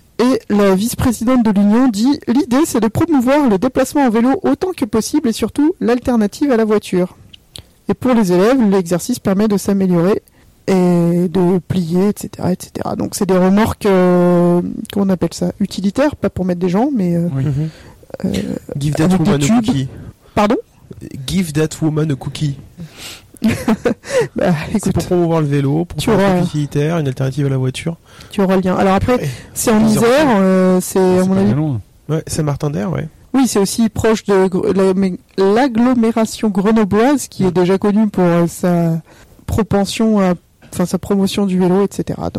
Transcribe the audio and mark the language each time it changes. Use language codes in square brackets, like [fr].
[fr] Et la vice-présidente de l'Union dit « L'idée, c'est de promouvoir le déplacement en vélo autant que possible et surtout l'alternative à la voiture. » Et pour les élèves, l'exercice permet de s'améliorer et de plier, etc. etc. Donc c'est des remorques, comment on appelle ça, utilitaires, pas pour mettre des gens, mais... [en] Give that woman a cookie. [fr] Pardon ? [en] Give that woman a cookie. [fr] Bah, c'est pour promouvoir le vélo, pour faire un truc utilitaire, une alternative à la voiture. Tu auras le lien. Alors après, ouais, c'est en Isère, c'est à mon avis... C'est ouais, Saint-Martin-d'Hère, ouais. Oui, c'est aussi proche de l'agglomération grenobloise, qui est déjà connue pour sa propension, sa promotion du vélo, etc.